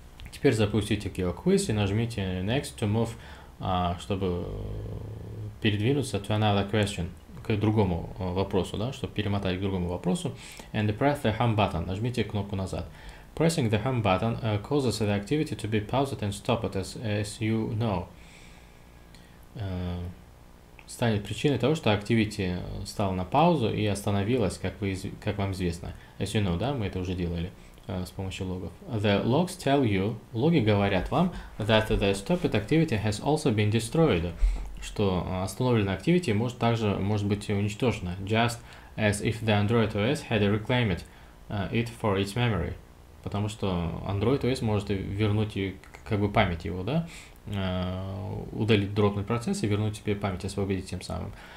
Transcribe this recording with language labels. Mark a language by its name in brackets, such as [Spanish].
[Russian] Теперь запустите GeoQuiz и нажмите [English] Next to move, [Russian] чтобы передвинуться [English] to another question, [Russian] к другому вопросу, да, чтобы перемотать к другому вопросу, [English] and press the Home button, [Russian] нажмите кнопку назад. [English] Pressing the Home button causes the activity to be paused and stopped, as you know. [Russian] Станет причиной того, что Activity стала на паузу и остановилась, как вам известно. [English] As you know, [Russian] да, мы это уже делали с помощью логов. [English] The logs tell you, [Russian] логи говорят вам, [English] that the stopped activity has also been destroyed. [Russian] Что остановленная Activity может быть уничтожена. [English] Just as if the Android OS had reclaimed it for its memory. [Russian] Потому что Android OS может вернуть как бы память его, да? Удалить дропный процесс и вернуть себе память, освободить тем самым.